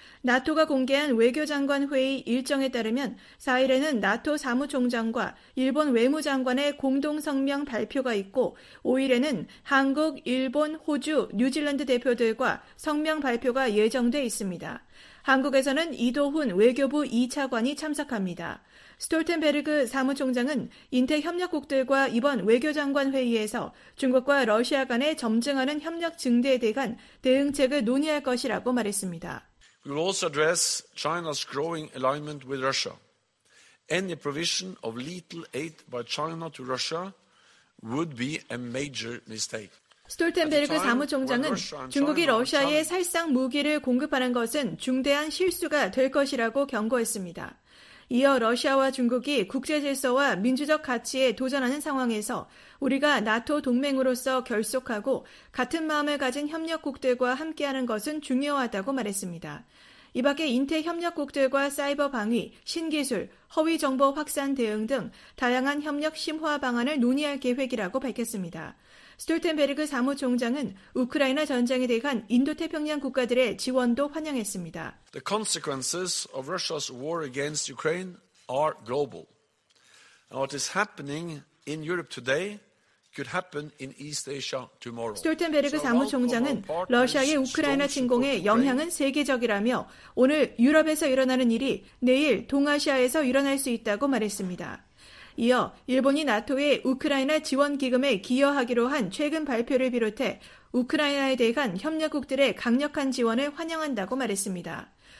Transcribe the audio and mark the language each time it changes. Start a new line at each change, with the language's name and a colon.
Korean: 나토가 공개한 외교장관 회의 일정에 따르면 4일에는 나토 사무총장과 일본 외무장관의 공동성명 발표가 있고 5일에는 한국, 일본, 호주, 뉴질랜드 대표들과 성명 발표가 예정돼 있습니다. 한국에서는 이도훈 외교부 2차관이 참석합니다. 스톨텐베르그 사무총장은 인태협력국들과 이번 외교장관 회의에서 중국과 러시아 간의 점증하는 협력 증대에 대한 대응책을 논의할 것이라고 말했습니다.
English: We will also address China's growing alignment with Russia. Any provision of lethal aid by China to Russia would be a major mistake.
Korean: 스톨텐베르그 사무총장은 중국이 러시아에 살상 무기를 공급하는 것은 중대한 실수가 될 것이라고 경고했습니다. 이어 러시아와 중국이 국제 질서와 민주적 가치에 도전하는 상황에서 우리가 나토 동맹으로서 결속하고 같은 마음을 가진 협력국들과 함께하는 것은 중요하다고 말했습니다. 이 밖에 인태 협력국들과 사이버 방위, 신기술, 허위 정보 확산 대응 등 다양한 협력 심화 방안을 논의할 계획이라고 밝혔습니다. 스톨텐베르그 사무총장은 우크라이나 전쟁에 대한 인도태평양 국가들의 지원도 환영했습니다.
English: The consequences of Russia's war against Ukraine are global. And what is happening in Europe today could happen in East Asia tomorrow.
Korean: 스톨텐베르그 사무총장은 러시아의 우크라이나 침공의 영향은 세계적이라며 오늘 유럽에서 일어나는 일이 내일 동아시아에서 일어날 수 있다고 말했습니다. 이어 일본이 나토의 우크라이나 지원기금에 기여하기로 한 최근 발표를 비롯해 우크라이나에 대한 협력국들의 강력한 지원을 환영한다고 말했습니다.